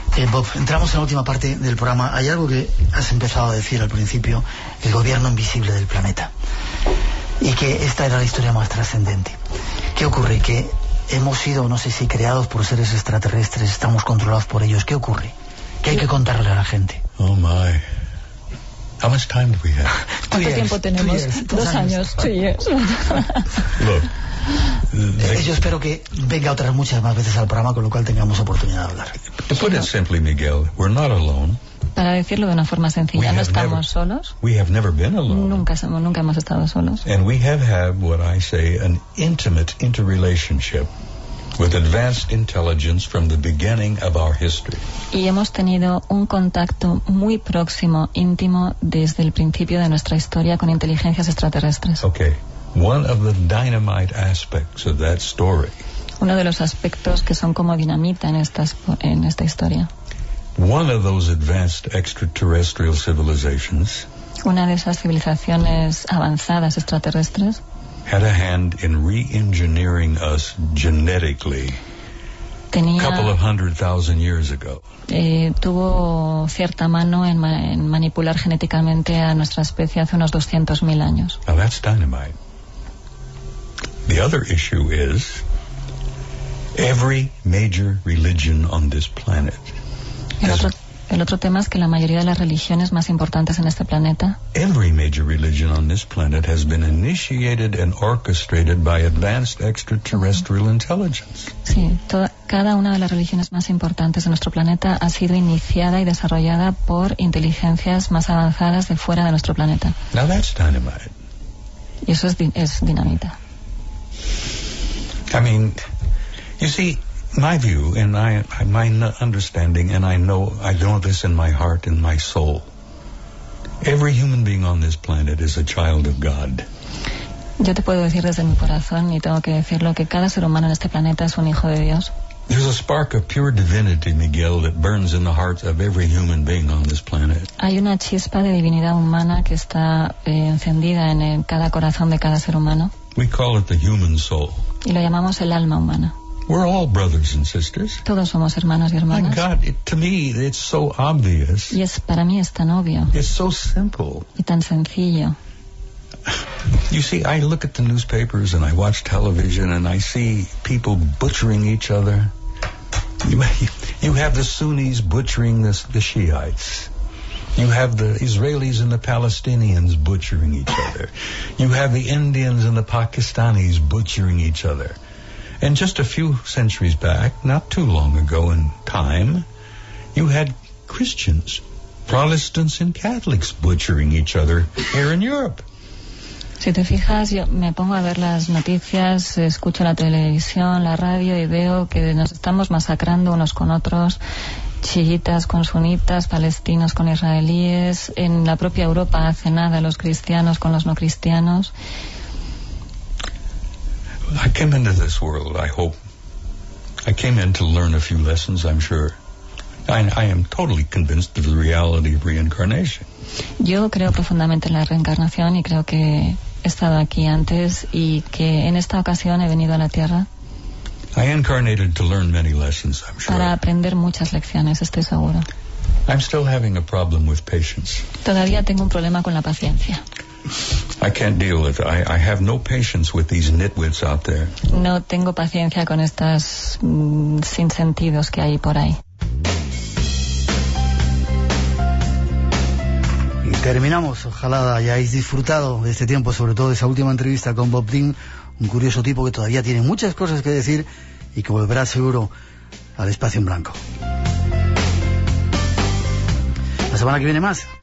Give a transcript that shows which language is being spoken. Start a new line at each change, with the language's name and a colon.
Spanish: Bob, entramos en la última parte del programa. Hay algo que has empezado a decir al principio, el gobierno invisible del planeta, y que esta era la historia más trascendente. ¿Qué ocurre? Que hemos sido, no sé si creados por seres extraterrestres, estamos controlados por ellos. ¿Qué ocurre? ¿Qué hay que contarle a la gente?
English: Oh my, how much time do we have?
Spanish: ¿Cuánto tiempo tenemos? Dos años.
English: Look.
Spanish: Yo espero que venga otras muchas más veces al programa, con lo cual tengamos oportunidad de hablar.
English: To put it simply, Miguel, we're not alone.
Spanish: Para decirlo de una forma sencilla, no estamos solos.
English: We have never been alone.
Spanish: Nunca hemos estado solos.
English: And we have had what I say an intimate interrelationship with advanced intelligence from the beginning of our history.
Spanish: Y hemos tenido un contacto muy próximo, íntimo, desde el principio de nuestra historia con inteligencias extraterrestres.
English: Okay. One of the dynamite aspects of that story.
Spanish: Uno de los aspectos que son como dinamita en esta historia.
English: One of those advanced extraterrestrial civilizations.
Spanish: Una de esas civilizaciones avanzadas extraterrestres.
English: Had a hand in re-engineering us genetically.
Spanish: Tenía,
English: couple of 100,000 years ago.
Spanish: Tuvo cierta mano en manipular genéticamente a nuestra especie hace unos 200,000 años.
English: Now that's dynamite. The other issue is every major religion on this planet.
Spanish: El otro tema es que la mayoría de las religiones más importantes en este planeta.
English: Every major religion on this planet has been initiated and orchestrated by advanced extraterrestrial intelligence.
Spanish: Sí, cada una de las religiones más importantes de nuestro planeta ha sido iniciada y desarrollada por inteligencias más avanzadas de fuera de nuestro planeta.
English: Now that's dynamite.
Spanish: Y eso es dinamita.
English: I mean, you see, my view and my understanding, and I know this in my heart and my soul. Every human being on this planet is a child of God.
Spanish: Yo te puedo decir desde mi corazón, y tengo que decirlo, que cada ser humano en este planeta es un hijo de Dios.
English: There's a spark of pure divinity, Miguel, that burns in the hearts of every human being on this planet.
Spanish: Hay una chispa de divinidad humana que está encendida en cada corazón de cada ser humano.
English: We call it the human soul.
Spanish: Y lo llamamos el alma humana.
English: We're all brothers and sisters.
Spanish: Todos somos hermanos y hermanas.
English: My God, to me, it's so obvious.
Spanish: Y es, para mí es tan obvio.
English: It's so simple.
Spanish: Y tan sencillo.
English: You see, I look at the newspapers and I watch television and I see people butchering each other. You have the Sunnis butchering the Shiites. You have the Israelis and the Palestinians butchering each other. You have the Indians and the Pakistanis butchering each other. And just a few centuries back, not too long ago in time, you had Christians, Protestants and Catholics butchering each other here in Europe.
Spanish: Si te fijas, yo me pongo a ver las noticias, escucho la televisión, la radio y veo que nos estamos masacrando unos con otros. Chiitas con sunitas, palestinos con israelíes, en la propia Europa hace nada los cristianos con los no cristianos.
English: I came into this world, I hope. I came in to learn a few lessons, I'm sure. I am totally convinced of the reality of reincarnation.
Spanish: Yo creo profundamente en la reencarnación y creo que he estado aquí antes y que en esta ocasión he venido a la Tierra.
English: I incarnated to learn many lessons, I'm sure.
Spanish: Para aprender muchas lecciones, estoy seguro.
English: I'm still having a problem with patience.
Spanish: Todavía tengo un problema con la paciencia.
English: I can't deal with it. I have no patience with these nitwits out there.
Spanish: No tengo paciencia con estas sinsentidos que hay por ahí. Y terminamos. Ojalá hayáis disfrutado de este tiempo, sobre todo de esa última entrevista con Bob Dean. Un curioso tipo que todavía tiene muchas cosas que decir y que volverá seguro al Espacio en Blanco. La semana que viene más.